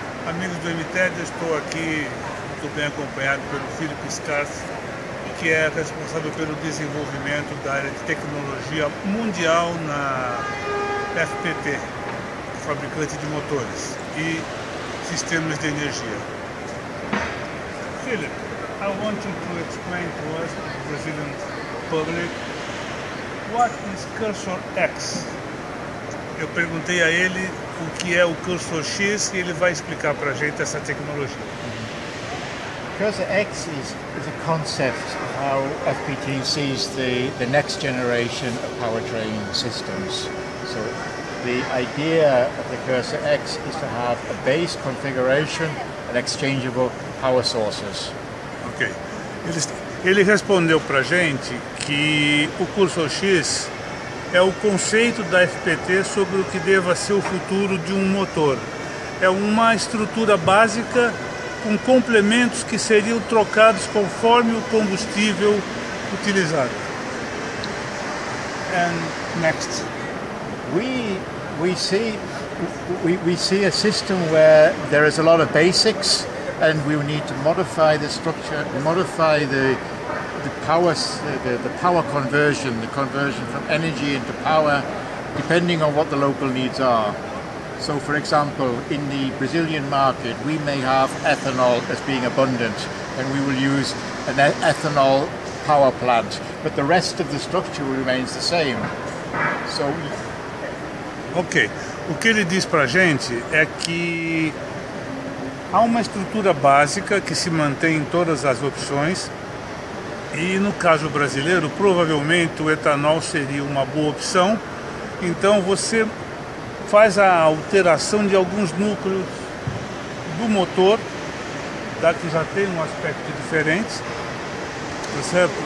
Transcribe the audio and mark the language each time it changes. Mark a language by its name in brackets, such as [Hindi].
[Portuguese] Amigos do Mted, eu estou aqui muito bem acompanhado pelo Filipe Scarth, que é responsável pelo desenvolvimento da área de tecnologia mundial na FPT, fabricante de motores e sistemas de energia. [English] Filipe, I want you to explain to us, to the Brazilian public, what is Cursor X? [Portuguese] Eu perguntei a ele o que é o Cursor X e ele vai explicar para a gente essa tecnologia. Mm-hmm. [English] Cursor X is a concept of how FPT sees the next generation of powertrain systems. So the idea of the Cursor X is to have a base configuration and exchangeable power sources. Ok. [Portuguese] Ele respondeu para a gente que o Cursor X é o conceito da FPT sobre o que deva ser o futuro de um motor. É uma estrutura básica com complementos que seriam trocados conforme o combustível utilizado. [English] And next. We see a system where there is a lot of basics and we need to modify the structure, modify the conversion from energy into power, depending on what the local needs are. So for example, in the Brazilian market, we may have ethanol as being abundant, and we will use an ethanol power plant, but the rest of the structure remains the same. So, [Portuguese] okay, o que ele diz pra gente é que há uma estrutura básica que se mantém em todas as opções, e no caso brasileiro, provavelmente o etanol seria uma boa opção. Então você faz a alteração de alguns núcleos do motor, da que já tem um aspecto diferente, certo?